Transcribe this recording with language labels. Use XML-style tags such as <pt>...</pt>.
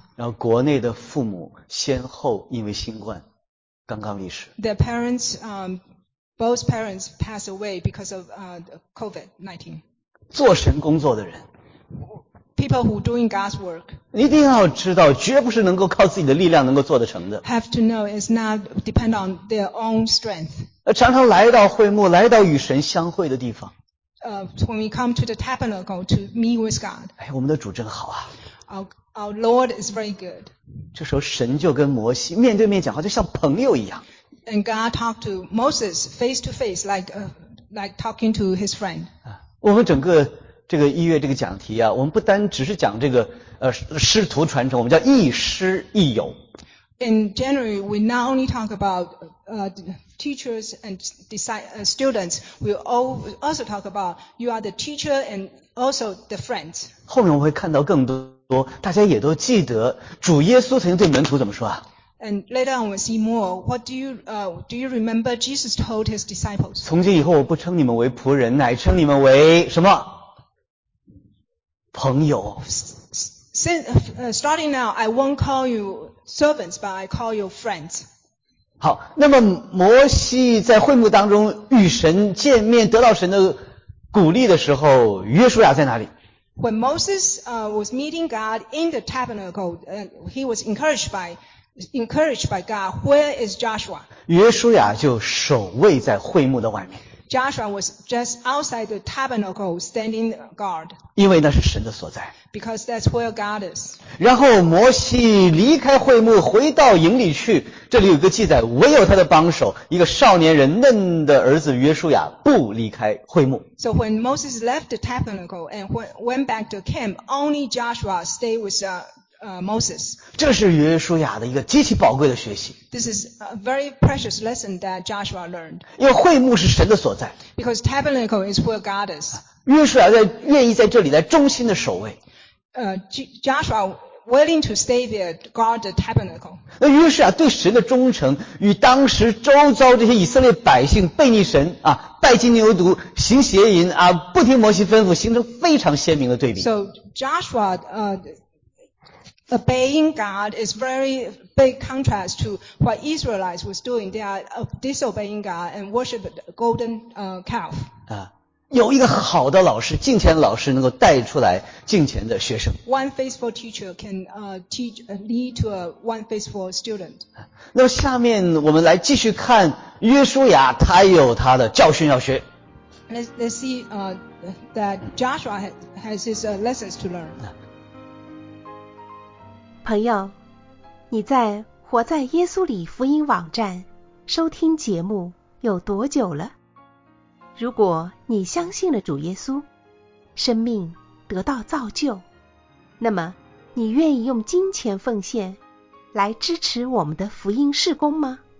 <zh>然后国内的父母先后因为新冠刚刚离世。</zh> <en>Their parents, both parents passed away because of COVID-19.</en> <zh>做神工作的人。</zh> <en>People who are doing God's work.</en> <zh>一定要知道绝不是能够靠自己的力量能够做得成的。</zh> <en>Have to know it's not depend on their own strength.</en> <zh>常常来到会幕，来到与神相会的地方。</zh> <en>When we come to the tabernacle to meet with God.</en> <zh>哎，我们的主真好啊。</zh> <en>Our Lord is very good.</en> <zh>这时候神就跟摩西面对面讲话，就像朋友一样。</zh> <en>And God talked to Moses face to face, like talking to his friend.</en> <zh>我们整个这个一月这个讲题啊，我们不单只是讲这个师徒传承，我们叫亦师亦友。</zh> <en>In January, we not only talk about teachers and students, we also talk about you are the teacher and also the friends.</en> <zh>后面我会看到更多，大家也都记得主耶稣曾经对门徒怎么说啊？</zh> <en>And later on, we'll see more. What do you remember Jesus told his disciples?</en> <zh>从今以后，我不称你们为仆人，乃称你们为什么？朋友。</zh> <en>Starting now, I won't call you servants, but I call you friends.</en> <zh>好，那么摩西在会幕当中与神见面，得到神的鼓励的时候，约书亚在哪里？</zh> <en>When Moses was meeting God in the tabernacle, he was encouraged by God. Where is Joshua?</en> <zh>约书亚就守卫在会幕的外面。</zh> <en>Joshua was just outside the tabernacle standing guard.</en> <zh>因为那是神的所在。</zh> <en>Because that's where God is.</en> <zh>然后摩西离开会幕回到营里去，这里有一个记载，唯有他的帮手一个少年人嫩的儿子约书亚不离开会幕。</zh> <en>So when Moses left the tabernacle and went back to camp, only Joshua stayed with Moses.</en> <zh>这是约书亚的一个极其宝贵的学习。</zh> <en>This is a very precious lesson that Joshua learned.</en> <zh>因为会幕是神的所在。</zh> <en>Because tabernacle is where God is.</en> <zh>约书亚愿意在这里来忠心的守卫。</zh> <en>Joshua willing to stay there, guard the tabernacle.</en> <zh>那约书亚对神的忠诚与当时周遭这些以色列百姓悖逆神啊，拜金牛犊，行邪淫啊，不听摩西吩咐，形成非常鲜明的对比。</zh> <en>So Joshua, obeying God is very big contrast to what Israelites was doing. They are disobeying God and worship the golden calf. 啊。</en> <zh>有一个好的老师，敬虔老师能够带出来敬虔的学生。</zh> <en>One faithful teacher can lead to a one faithful student.</en> <zh>那么下面我们来继续看约书亚，他有他的教训要学。</zh> <en>Let's see that Joshua has his lessons to learn.</en> <zh>朋友，你在活在耶稣里福音网站收听节目有多久了？如果你相信了主耶稣，生命得到造就，那么你愿意用金钱奉献来支持我们的福音事工吗？</zh>